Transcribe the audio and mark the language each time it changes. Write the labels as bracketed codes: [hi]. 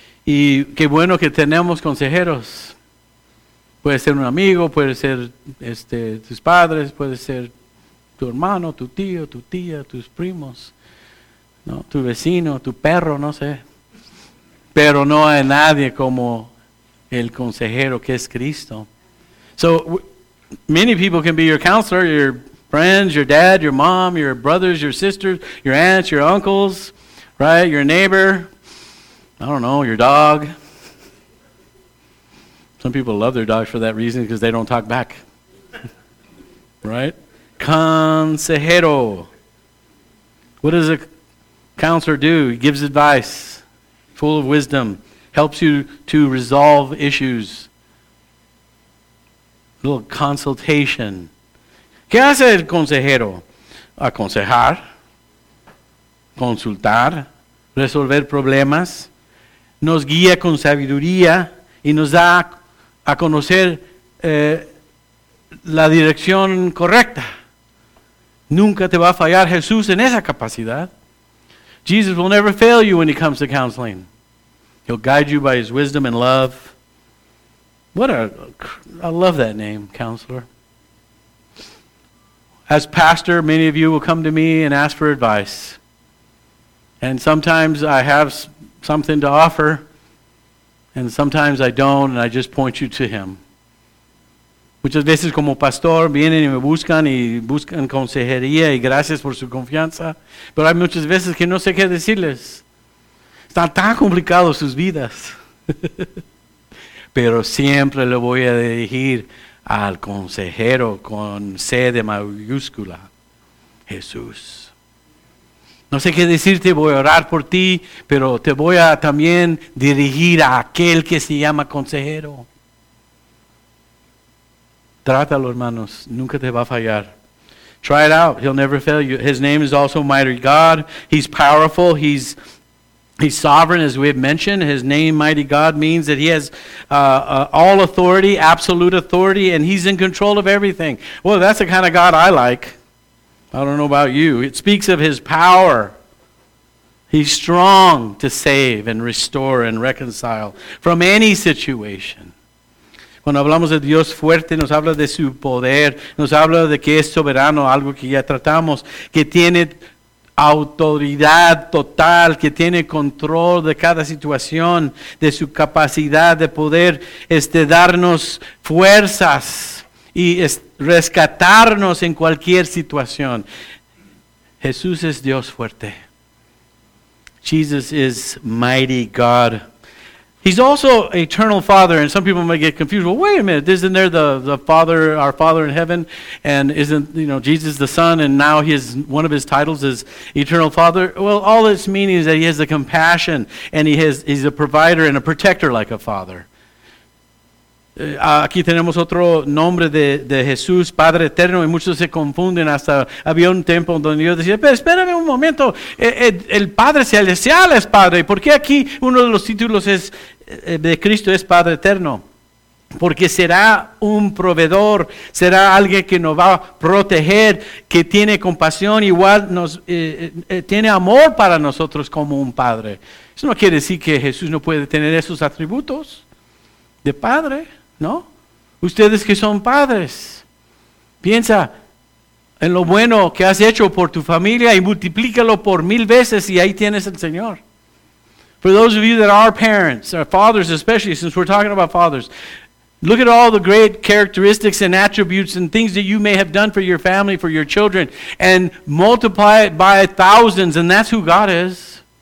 [es] Y qué bueno que tenemos consejeros. Puede ser un amigo, puede ser tus padres, puede ser tu hermano, tu tío, tu tía, tus primos, ¿no? Tu vecino, tu perro, no sé. Pero no hay nadie como el consejero que es Cristo. [en] So, many people can be your counselor, your friends, your dad, your mom, your brothers, your sisters, your aunts, your uncles, right? Your neighbor, I don't know, your dog. Some people love their dogs for that reason because they don't talk back. Right? Consejero. What does a counselor do? He gives advice, full of wisdom, helps you to resolve issues. A little consultation. [es] ¿Qué hace el consejero? Aconsejar, consultar, resolver problemas, nos guía con sabiduría y nos da a conocer la dirección correcta. Nunca te va a fallar Jesús en esa capacidad. [en] Jesus will never fail you when he comes to counseling. He'll guide you by his wisdom and love. I love that name, counselor. As pastor, many of you will come to me and ask for advice. And sometimes I have something to offer, and sometimes I don't, and I just point you to him. [es] Muchas veces como pastor vienen y me buscan y buscan consejería y gracias por su confianza. Pero hay muchas veces que no sé qué decirles. Están tan complicados sus vidas. Pero siempre le voy a dirigir al consejero con C de mayúscula, Jesús. No sé qué decirte, voy a orar por ti, pero te voy a también dirigir a aquel que se llama consejero. Trátalo, hermanos, nunca te va a fallar. [en] Try it out, he'll never fail you. His name is also Mighty God. He's powerful, he's sovereign, as we've mentioned. His name, Mighty God, means that he has all authority, absolute authority, and he's in control of everything. Well, that's the kind of God I like. I don't know about you. It speaks of his power. He's strong to save and restore and reconcile from any situation. [es] Cuando hablamos de Dios fuerte, nos habla de su poder, nos habla de que es soberano, algo que ya tratamos, que tiene autoridad total, que tiene control de cada situación, de su capacidad de poder darnos fuerzas y rescatarnos en cualquier situación. Jesús es Dios fuerte. [en] Jesus is mighty God. He's also eternal Father, and some people might get confused. Well, wait a minute, isn't there the Father, our Father in heaven, and isn't, you know, Jesus the Son, and now he is, one of his titles is eternal Father? Well, all this meaning is that he has the compassion, and he's a provider and a protector like a father. [es] Aquí tenemos otro nombre de Jesús, Padre Eterno, y muchos se confunden. Hasta había un tiempo donde yo decía, pero espérame un momento, el Padre Celestial es Padre. ¿Por qué aquí uno de los títulos es de Cristo es Padre Eterno? Porque será un proveedor, será alguien que nos va a proteger, que tiene compasión, igual nos tiene amor para nosotros como un Padre. Eso no quiere decir que Jesús no puede tener esos atributos de Padre. ¿No? Ustedes que son padres, piensa en lo bueno que has hecho por tu familia y multiplícalo por mil veces y ahí tienes al Señor. [en] For those of you that are parents, or fathers especially, since we're talking about fathers, look at all the great characteristics and attributes and things that you may have done for your family, for your children, and multiply it by thousands, and that's who God is.